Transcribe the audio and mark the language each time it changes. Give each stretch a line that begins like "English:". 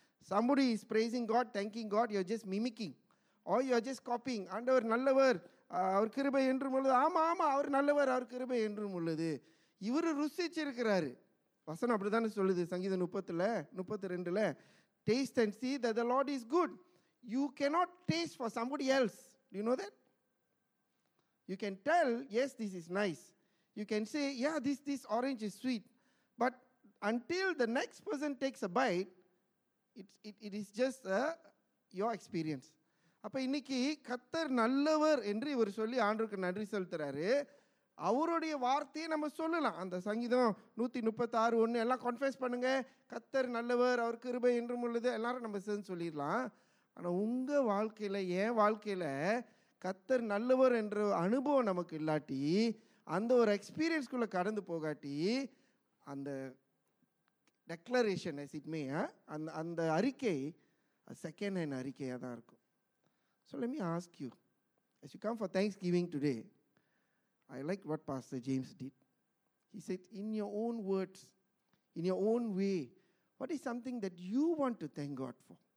English: Somebody is praising God, thanking God, you are just mimicking or you are just copying.
Tamil: ஆண்டவர் நல்லவர், அவர் கிருபை என்றும் உள்ளது. ஆமா ஆமா, அவர் நல்லவர், அவர் கிருபை என்றும் உள்ளது. இவர் ருசிச்சிருக்கிறாரு. வசனம் அப்படிதானே சொல்லுது சங்கீதம் 32ல,
English: taste and see that the Lord is good. You cannot taste for somebody else. Do you know that? You can tell, yes, this is nice. You can say, yeah, this orange is sweet. But until the next person takes a bite, it is just your experience.
Tamil: அப்போ இன்னைக்கு கர்த்தர் நல்லவர் என்று இவர் சொல்லி ஆண்டவருக்கு நன்றி செலுத்துறாரு. அவருடைய வார்த்தையை நம்ம சொல்லலாம். அந்த சங்கீதம் 136:1 எல்லாம் கன்ஃபெஸ் பண்ணுங்க, கர்த்தர் நல்லவர், அவர் கிருபை என்றும் உள்ளது, எல்லாரும் நம்ம சேர்ந்து சொல்லிடலாம். ஆனால் உங்கள் வாழ்க்கையில், என் வாழ்க்கையில் கர்த்தர் நல்லவர் என்ற அனுபவம் நமக்கு இல்லாட்டி, அந்த ஒரு எக்ஸ்பீரியன்ஸ்குள்ளே கடந்து போகாட்டி, அந்த டெக்ளரேஷன் எசிட்மே அந்த அறிக்கை செகண்ட் ஹேண்ட் அறிக்கையாக தான் இருக்கும்.
English: So let me ask you, as you come for Thanksgiving today, I like what Pastor James did. He said, in your own words, in your own way, what is something that you want to thank God for?